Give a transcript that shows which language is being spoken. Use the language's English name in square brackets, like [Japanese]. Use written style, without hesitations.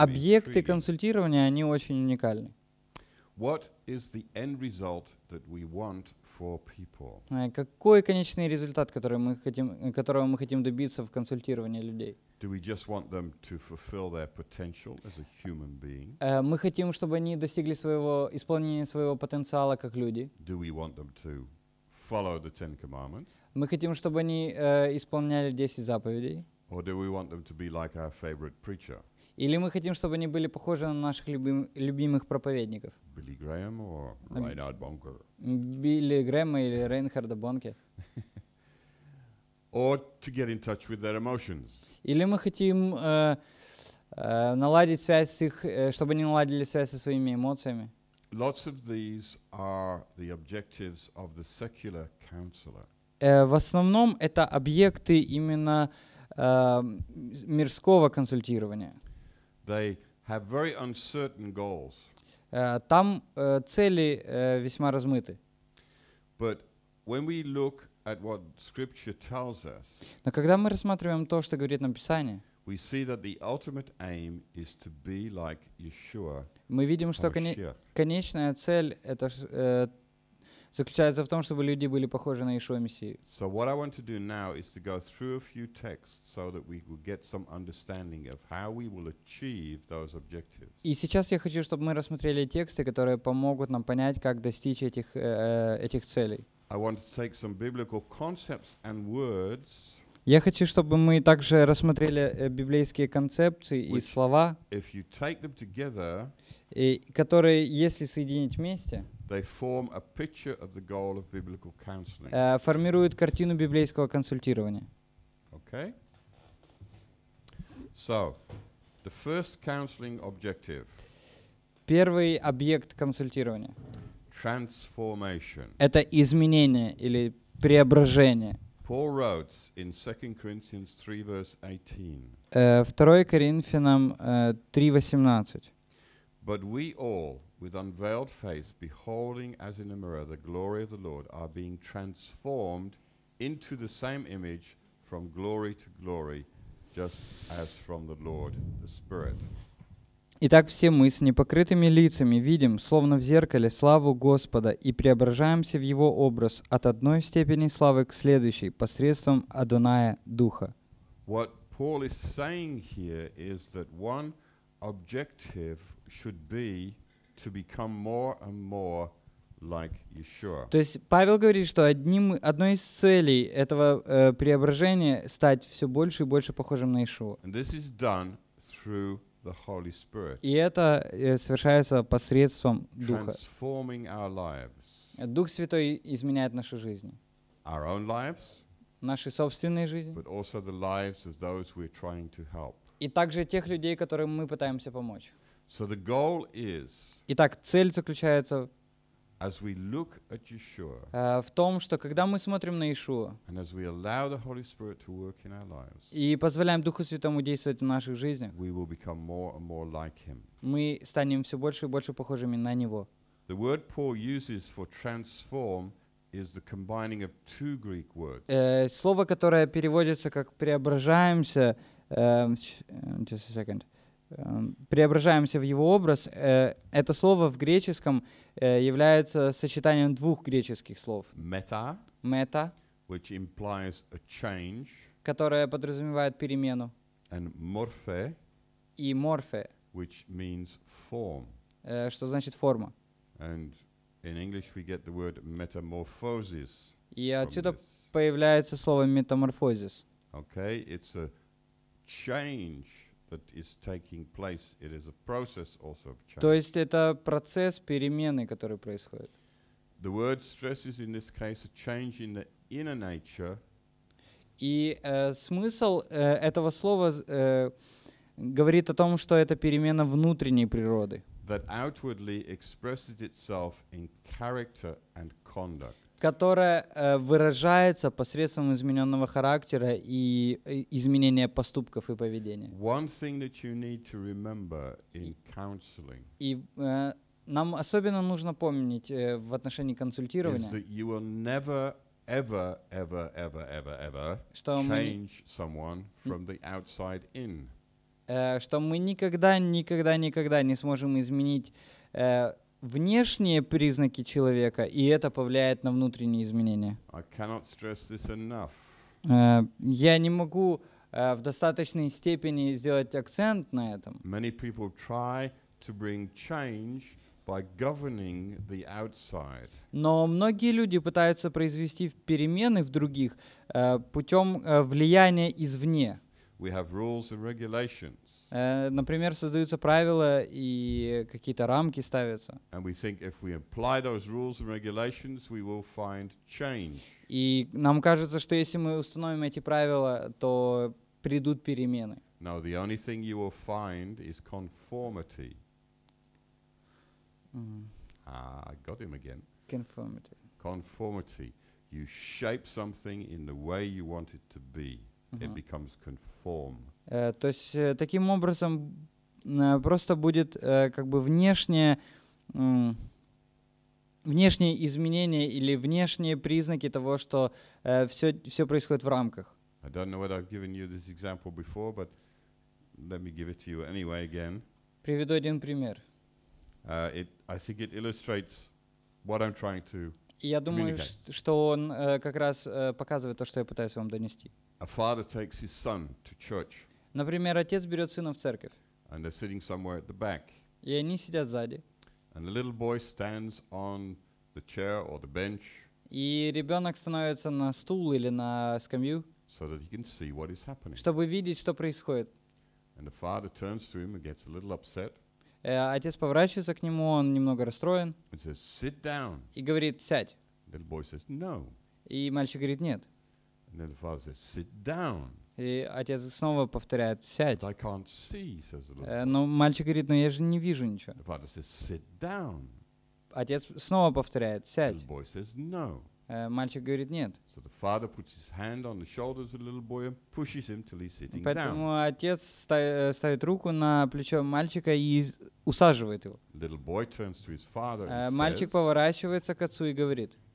[Russian] Объекты консультирования они очень уникальны. [English] What is the end result that we want for people? [Russian] Какой конечный результат, которого мы хотим добиться в консультировании людей? [English] Do we just want them to fulfill their potential as a human being? [Russian] Мы хотим, чтобы они достигли своего исполнения своего потенциала как люди. [English] Do we want them to follow the Ten Commandments? [Russian] Мы хотим, чтобы они исполняли 10 заповедей. [English] Or do we want them to be like our favorite preacher? [Russian] Или мы хотим, чтобы они были похожи на наших любимых проповедников? [English] Билли Грэм or Рейнхард Бонкер? [Russian] Билли Грэм или Рейнхарда Бонке? [English] Or to get in touch with their emotions? [Russian] Или мы хотим наладить связь с их, чтобы они наладили связь со своими эмоциями? [English] Lots of these are the objectives of the secular counselor. [Russian] В основном это объекты именно мирского консультирования. [English] They have very uncertain goals. [Russian] Там цели весьма размыты. [English] But when we look at what Scripture tells us, [Russian] но когда мы рассматриваем то, что говорит нам Писание, [English] we see that the ultimate aim is to be like Yeshua. [Russian] Мы видим, что конечная цель это заключается в том, чтобы люди были похожи на Иешуа Мессию. [English] So what I want to do now is to go through a few texts so that we will get some understanding of how we will achieve those objectives. [Russian] И сейчас я хочу, чтобы мы рассмотрели тексты, которые помогут нам понять, как достичь этих целей. [English] I want to take some biblical concepts and words. [Russian] Я хочу, чтобы мы также рассмотрели библейские концепции и слова, [English] if you take them together, [Russian] и которые, если соединить вместе, [English] they form a picture of the goal of biblical counseling. [Russian] Формируют картину библейского консультирования. [English] Okay. So, the first counseling objective. [Russian] Первый объект консультирования. [English] Transformation. [Russian] Это изменение или преображение. [English] Paul wrote in 2 Corinthians 3, verse 18. [Russian] 2 Коринфянам 3:18. [English] But we all, with unveiled face, beholding as in a mirror the glory of the Lord, are being transformed into the same image from glory to glory, just as from the Lord the Spirit. [Russian] Итак, все мы с непокрытыми лицами видим, словно в зеркале, славу Господа и преображаемся в Его образ от одной степени славы к следующей посредством Адоная Духа. [English] What Paul is saying here is that one objective should be to become more and more like Yeshua. [Russian] То есть Павел говорит, что одной из целей этого преображения стать все больше и больше похожим на Иешуа. [English] And this is done through the Holy Spirit. [Russian] И это совершается посредством Духа. [English] Transforming our lives. [Russian] Дух Святой изменяет наши жизни. [English] Our own lives. [Russian] Наши собственные жизни. [English] But also the lives of those we're trying to help. [Russian] И также тех людей, которым мы пытаемся помочь. [English] So the goal is. [Russian] Итак, цель заключается. [English] As we look at Yeshua. [Russian] В том, что когда мы смотрим на Иешуа. [English] And as we allow the Holy Spirit to work in our lives. [Russian] И позволяем Духу Святому действовать в наших жизнях. [English] We will become more and more like Him. [Russian] Мы станем все больше и больше похожими на Него. [English] The word Paul uses for transform. Is the combining of two Greek words. [Russian] Слово, которое переводится как преображаемся, [English] just a second. [Russian] Преображаемся в его образ, это слово в греческом является сочетанием двух греческих слов. [English] Meta, which implies a change, [Russian] которое подразумевает перемену. [English] And morphe, [Russian] и morphe, [English] which means form. [Russian] Что значит форма? [English] And in English we get the word metamorphosis. [Russian] И отсюда появляется слово метаморфозис. [English] Okay, it's a change that is taking place. It is a process also of change. [Russian] То есть это процесс перемены, который происходит. [English] The word stresses in this case a change in the inner nature. [Russian] И смысл этого слова говорит о том, что это перемена внутренней природы. [English] That outwardly expresses itself in character and conduct. [Russian] Которая выражается посредством измененного характера и изменения поступков и поведения. [English] One thing that you need to remember in counseling. [Russian] И нам особенно нужно помнить в отношении консультирования. [English] Is that you will never, ever, ever, ever, ever, ever change someone from the outside in. [Russian] Что мы никогда, никогда, никогда не сможем изменить внешние признаки человека, и это повлияет на внутренние изменения. [English] I cannot stress this enough. [Russian] Я не могу в достаточной степени сделать акцент на этом. [English] Many people try to bring change by governing the outside. [Russian] Но многие люди пытаются произвести перемены в других путем влияния извне. [English] We have rules and regulations. [Russian] Например, создаются правила и какие-то рамки ставятся. [English] And we think if we apply those rules and regulations, we will find change. [Russian] И нам кажется, что если мы установим эти правила, то придут перемены. [English] No, the only thing you will find is conformity. Mm-hmm. I got him again. Conformity. Conformity. You shape something in the way you want it to be. It becomes conform. [Russian] То есть таким образом просто будет как бы внешние изменения или внешние признаки того, что все происходит в рамках. [English] I don't know whether I've given you this example before, but let me give it to you anyway again. [Russian] Приведу один пример. [English] I think it illustrates what I'm trying to. [Russian] Я думаю, что он как раз показывает то, что я пытаюсь вам донести. [English] A father takes his son to church. [Russian] Например, отец берет сына в церковь. [English] And they're sitting somewhere at the back. [Russian] И они сидят сзади. [English] And the little boy stands on the chair or the bench. [Russian] И ребенок становится на стул или на скамью. [English] So that he can see what is happening. [Russian] Чтобы видеть, что происходит. [English] And the father turns to him and gets a little upset. [Russian] Отец поворачивается к нему, он немного расстроен. [English] And says, "Sit down." [Russian] И говорит, сядь. [English] The little boy says, "No." [Russian] И мальчик говорит, нет. [English] And then the father says, "Sit down." [Russian] И отец снова повторяет, сядь. [English] But I can't see, says the little. [Russian] Но мальчик говорит, но я же не вижу ничего. [English] The father says, "Sit down." [Russian] Отец снова повторяет, сядь. [English] The boy says, "No." [Russian] Мальчик говорит, нет. [English] So the father puts his hand on the shoulders of the little boy and pushes him till he's sitting [Russian] Поэтому [English] down. [Russian] Поэтому отец ставит руку на плечо мальчика и усаживает его. [English] Little boy turns to his father and [Russian] Мальчик поворачивается к отцу и говорит.